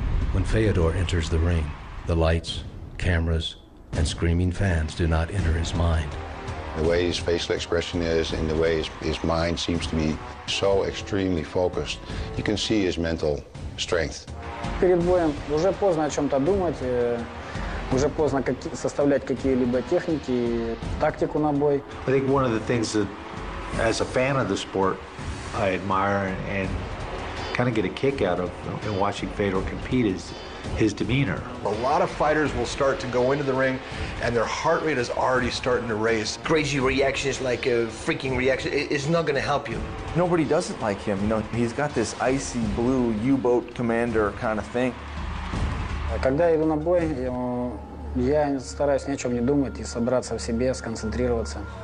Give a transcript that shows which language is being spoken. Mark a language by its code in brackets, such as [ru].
[en] When Fedor enters the ring, the lights, cameras, and screaming fans do not enter his mind. The way his facial expression is and the way his mind seems to be so extremely focused, you can see his mental strength. [ru] Перед боем уже поздно о чем-то думать, уже поздно составлять какие-либо техники, тактику на бой. [en] I think one of the things that as a fan of the sport, I admire and kind of get a kick out of in watching Fedor compete is his demeanor. A lot of fighters will start to go into the ring and their heart rate is already starting to race. Crazy reactions, like a freaking reaction, it's not going to help you. Nobody doesn't like him. You know, he's got this icy blue U-boat commander kind of thing. [ru] Когда я иду на бой, я стараюсь ни о чем не думать и собраться в себе, сконцентрироваться.